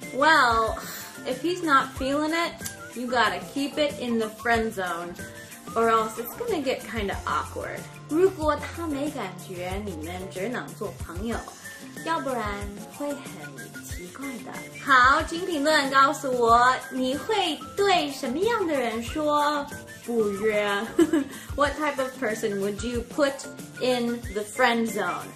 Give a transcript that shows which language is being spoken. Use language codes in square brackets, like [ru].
[en] Well, if he's not feeling it, you gotta keep it in the friend zone, or else it's gonna get kind of awkward. [zh] 如果他没感觉，你们只能做朋友，要不然会很奇怪的。好，请评论告诉我，你会对什么样的人说不约。 [en] What type of person would you put in the friend zone?